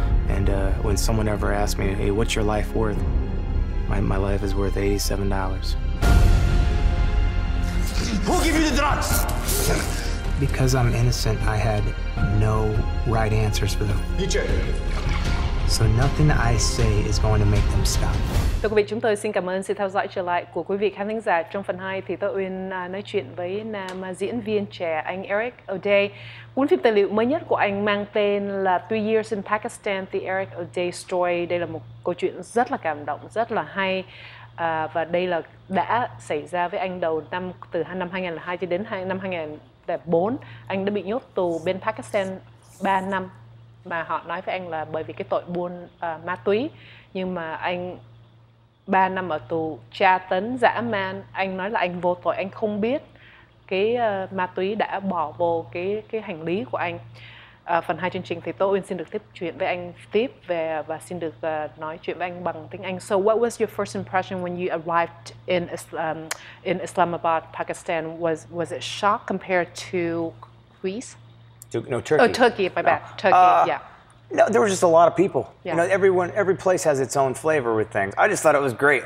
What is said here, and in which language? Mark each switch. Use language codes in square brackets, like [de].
[en] And when someone ever asked me, hey, what's your life worth? My life is worth $87. Who gave you the drugs? Because I'm innocent, I had no right answers for them. So nothing I say is going to make them stop. [vi] Thưa quý vị, chúng tôi xin cảm ơn sự theo dõi trở lại của quý vị khán thính giả. Trong phần 2 thì tôi Uyên nói chuyện với nam diễn viên trẻ anh Erik Audé. Cuốn phim tài liệu mới nhất của anh mang tên là Three Years in Pakistan, The Erik Audé Story. Đây là một câu chuyện rất là cảm động, rất là hay. Và đây là đã xảy ra với anh đầu năm, từ năm 2002 cho đến năm 2004. Anh đã bị nhốt tù bên Pakistan 3 năm. Mà họ nói với anh là bởi vì cái tội buôn ma túy. Nhưng mà anh 3 năm ở tù, tra tấn, dã man. Anh nói là anh vô tội, anh không biết cái ma túy đã bỏ vô cái hành lý của anh. Phần 2 chương trình thì tôi xin được tiếp chuyện với anh tiếp về và xin được nói chuyện với anh bằng tiếng Anh. [en] So what was your first impression when you arrived in Islamabad, Pakistan? Was it shock compared to Greece? Turkey. Oh, Turkey, my bad. No, there were just a lot of people. Yeah. You know, every place has its own flavor with things. I just thought it was great.